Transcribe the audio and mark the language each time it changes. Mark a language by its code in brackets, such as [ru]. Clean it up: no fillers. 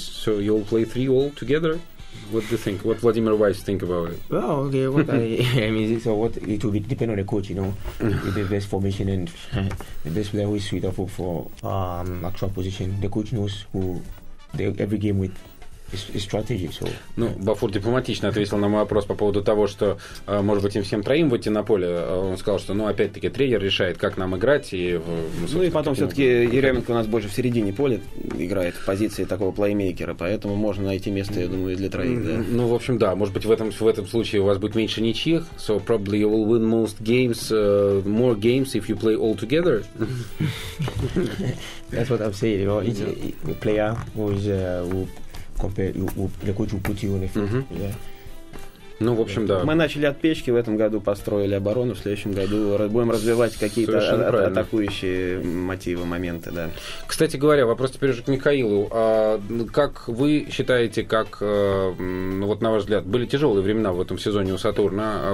[en] So you all play three all together. What do you think? What Vladimir Weiss think about it? Well, okay. What I mean, so what it will be depend on the coach, you know, with the best formation and the best player who is suitable for actual position. The coach knows who they, every game with. Стратегии, so. [ru] Ну, Бафур дипломатично ответил на мой вопрос по поводу того, что, может быть, им всем троим выйти на поле. Он сказал, что, ну, опять-таки, тренер решает, как нам играть. И, ну, и потом все-таки Еременко у нас больше в середине поля играет в позиции такого плеймейкера, поэтому можно найти место, я думаю, для троих. Да. Ну, в общем, да. Может быть, в этом случае у вас будет меньше ничьих. [en] So, probably you will win most games, more games, if you play all together. That's what I'm saying. You know, it's a player who is... compared the coach will put you on the field. [ru] Ну, в общем, да. Мы начали от печки, в этом году построили оборону, в следующем году будем развивать какие-то атакующие мотивы, моменты, да. Кстати говоря, вопрос теперь уже к Михаилу. А как вы считаете, как, ну вот на ваш взгляд, были тяжелые времена в этом сезоне у Сатурна?